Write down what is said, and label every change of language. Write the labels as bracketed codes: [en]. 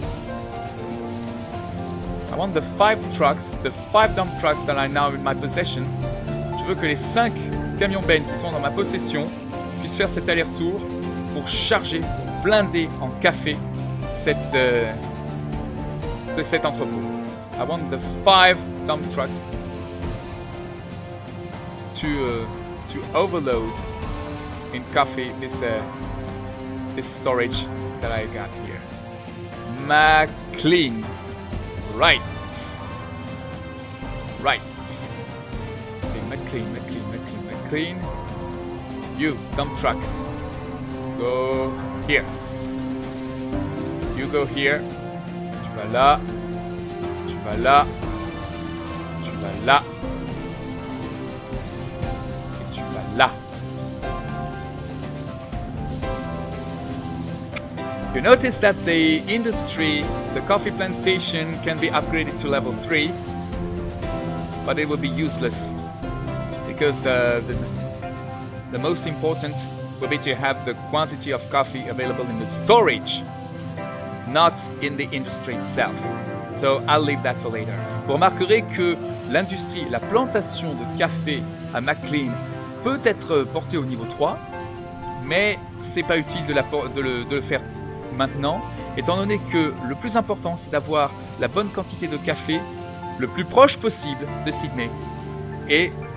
[en] I want the 5 dump trucks that are now in my possession. [fr] Je veux que les 5 camions bennes qui sont dans ma possession puissent faire cet aller-retour pour charger, blinder en café cet entrepôt. [en] I want the 5 dump trucks to overload in café this storage that I got here. McLean. Right. Okay, McLean. You, dump truck. Go here. You go here. [fr] Tu vas là. Tu vas là. Et tu vas là. [en] You notice that the industry, the coffee plantation, can be upgraded to level 3. But it will be useless because the most important will be to have the quantity of coffee available in the storage, not in the industry itself. So I'll leave that for later. [fr] Vous remarquerez que l'industrie, la plantation de café à McLean peut être portée au niveau 3, mais c'est pas utile de le faire maintenant, étant donné que le plus important c'est d'avoir la bonne quantité de café le plus proche possible de Sydney. Et